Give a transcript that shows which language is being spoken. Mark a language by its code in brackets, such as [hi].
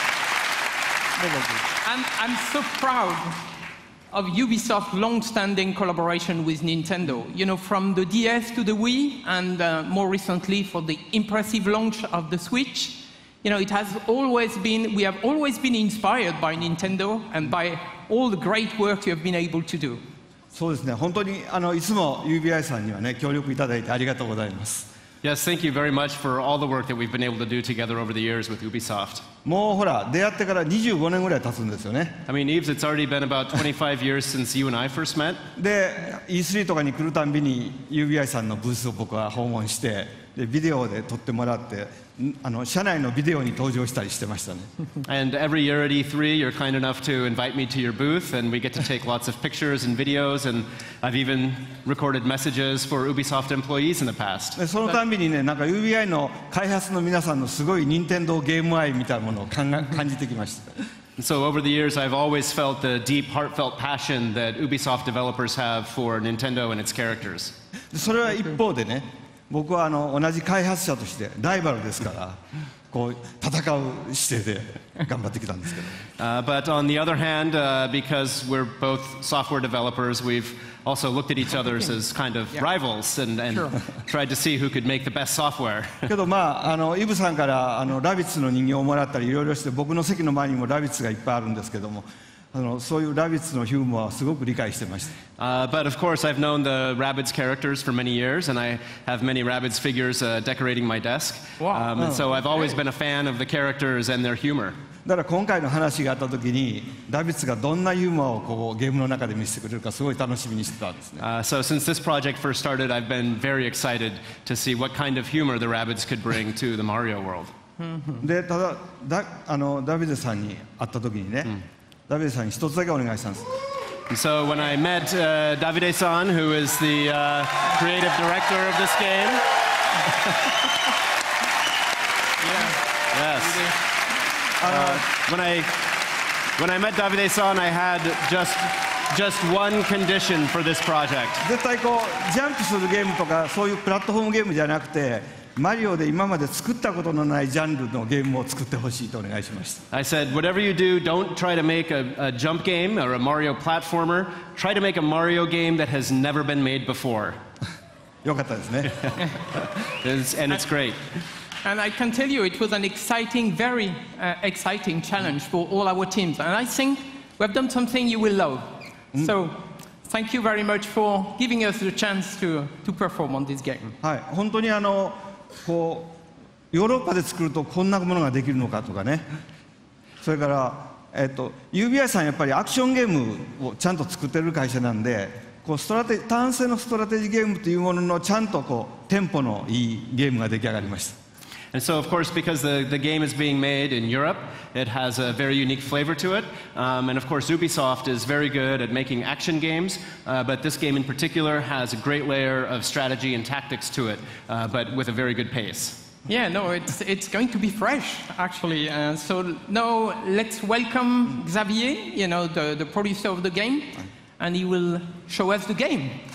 [en] I'm so proud of Ubisoft's long-standing collaboration with Nintendo. You know, from the DS to the Wii, and more recently for the impressive launch of the Switch, you know, it has always been, we have always been inspired by Nintendo and by all the great work you have been able to do. [ja] そうですね。本当にいつも UBI さんにはね、協力いただいてありがとうございます。 [en] Yes, thank you very much for all the work that we've been able to do together over the years with Ubisoft. [ja] もうほら、出会ってから25年ぐらい経つんですよね。 [en] I mean, Yves, it's already been about 25 years since you and I first met. [ja] で、E3 とかに来るたんびに UBI さんのブースを僕は訪問して、で、ビデオで撮ってもらって、社内のビデオに登場したりしてましたね。 [en] And every year at E3, you're kind enough to invite me to your booth, and we get to take lots of pictures and videos, and I've even recorded messages for Ubisoft employees in the past. [ja] そのたんびにね、なんか UBI の開発の皆さんのすごい任天堂ゲーム愛みたいなものを感じてきました。 [en] So over the years, I've always felt the deep, heartfelt passion that Ubisoft developers have for Nintendo and its characters. [ja] それは一方でね、僕は同じ開発者としてライバルですから、こう戦う姿勢で頑張ってきたんですけど。 [en] But on the other hand, because we're both software developers, we've also looked at each other as kind of rivals and tried to see who could make the best software. [ja] けどまあイブさんからラビッツの人形をもらったりいろいろして、僕の席の前にもラビッツがいっぱいあるんですけども。そういうラビッツのヒューモアはすごく理解してました。 [en] But of course, I've known the Rabbids characters for many years, and I have many Rabbids figures decorating my desk. Wow. And so I've always been a fan of the characters and their humor. [ja] だから今回の話があった時にダビッツがどんなユーモアをこうゲームの中で見せてくれるかすごい楽しみにしてたんですね。 [en] So since this project first started, I've been very excited to see what kind of humor the rabbits could bring to the Mario world. [ja] で、ただ、ダビッツさんに会った時にね、ダビッツさんに一つだけお願いしたんです。 [en] So when I met Davide-san, who is the creative director of this game. Yes. When I met Davide-san, I had just one condition for this project. [ja] 絶対こうジャンプするゲームとかそういうプラットフォームゲームじゃなくて、マリオで今まで作ったことのないジャンルのゲームを作ってほしいとお願いしました。 [en] I said, whatever you do, don't try to make a jump game or a Mario platformer. Try to make a Mario game that has never been made before. [ja] よかったですね。 [en] and it's great. And I can tell you, it was an exciting, very exciting challenge for all our teams. And I think we have done something you will love. So, thank you very much for giving us the chance to perform on this game. [ja] はい、本当にこうヨーロッパで作るとこんなものができるのかとかね、それから、UBI さんやっぱりアクションゲームをちゃんと作ってる会社なんで、こうストラテジー単性のストラテジーゲームというもののちゃんとこうテンポのいいゲームが出来上がりました。 [en] And so, of course, because the game is being made in Europe, it has a very unique flavor to it. And of course, Ubisoft is very good at making action games, but this game in particular has a great layer of strategy and tactics to it, but with a very good pace. Yeah, no, it's going to be fresh, actually. So now let's welcome Xavier, you know, the producer of the game, and he will show us the game.